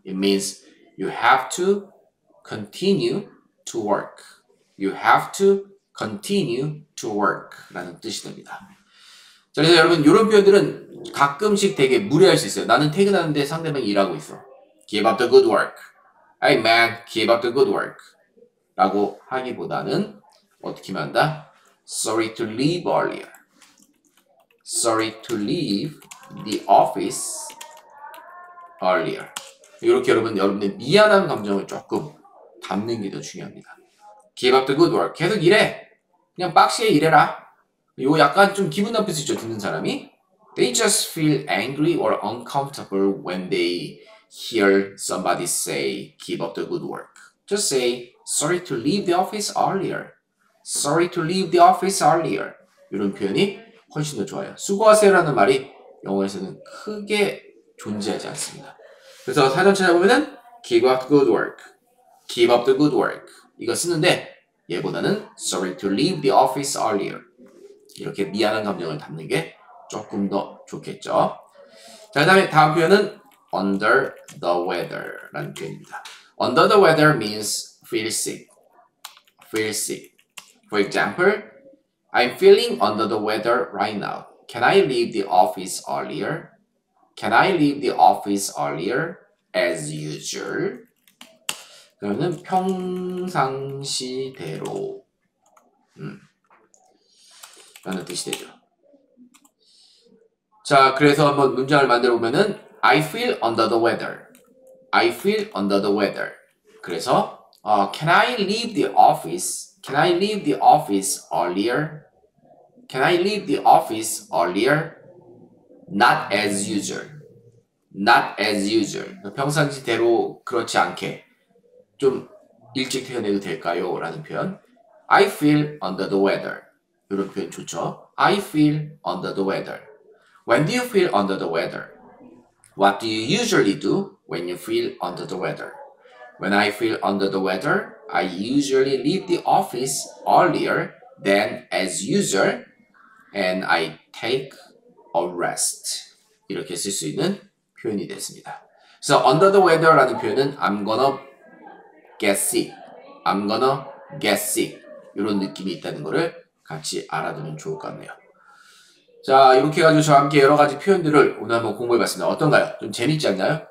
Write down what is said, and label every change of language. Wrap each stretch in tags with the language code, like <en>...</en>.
<en>It means you have to continue to work. You have to continue to work</en> <ko>라는 뜻이 됩니다. 자, 그래서 여러분 이런 표현들은 가끔씩 되게 무례할 수 있어요. 나는 퇴근하는데 상대방이 일하고 있어.</ko> <en>Give up the good work. Hey man, give up the good work.</en> <ko>라고 하기보다는 어떻게 한다?</ko> <en>Sorry to leave earlier. Sorry to leave the office earlier.</en> <ko>이렇게 여러분, 여러분의 미안한 감정을 조금 담는 게 더 중요합니다.</ko> <en>Give up the good work.</en> <ko>계속 일해. 그냥 빡시게 일해라. 요 약간 좀 기분 나쁠 수 있죠, 듣는 사람이.</ko> <en>They just feel angry or uncomfortable when they hear somebody say give up the good work. Just say sorry to leave the office earlier. Sorry to leave the office earlier.</en> <ko>이런 표현이 훨씬 더 좋아요. 수고하세요라는 말이 영어에서는 크게 존재하지 않습니다. 그래서 사전 찾아보면은</ko> <en>give up the good work. Give up the good work.</en> <ko>이거 쓰는데 얘보다는</ko> <en>sorry to leave the office earlier.</en> <ko>이렇게 미안한 감정을 담는 게 조금 더 좋겠죠. 자, 그다음에 다음 표현은 under the weather 라는 표현입니다.</ko> <en>Under the weather means feel sick. Feel sick. For example, I'm feeling under the weather right now. Can I leave the office earlier? Can I leave the office earlier as usual?</en> <ko>그러면 평상시대로 라는 뜻이 되죠. 자, 그래서 한번 문장을 만들어 보면은</ko> <en>I feel under the weather. I feel under the weather.</en> <ko>그래서</ko> <en>can I leave the office? Can I leave the office earlier? Can I leave the office earlier? Not as usual. Not as usual.</en> <ko>평상시대로 그렇지 않게 좀 일찍 퇴근해도 될까요? 라는 표현.</ko> <en>I feel under the weather.</en> <ko>이런 표현 좋죠.</ko> <en>I feel under the weather. When do you feel under the weather? What do you usually do when you feel under the weather? When I feel under the weather, I usually leave the office earlier than as usual and I take a rest.</en> <ko>이렇게 쓸 수 있는 표현이 됐습니다.</ko> <en>So under the weather</en> <ko>라는 표현은</ko> <en>I'm gonna get sick. I'm gonna get sick.</en> <ko>이런 느낌이 있다는 거를 같이 알아두면 좋을 것 같네요. 자, 이렇게 해가지고 저와 함께 여러 가지 표현들을 오늘 한번 공부해봤습니다. 어떤가요? 좀 재밌지 않나요?</ko>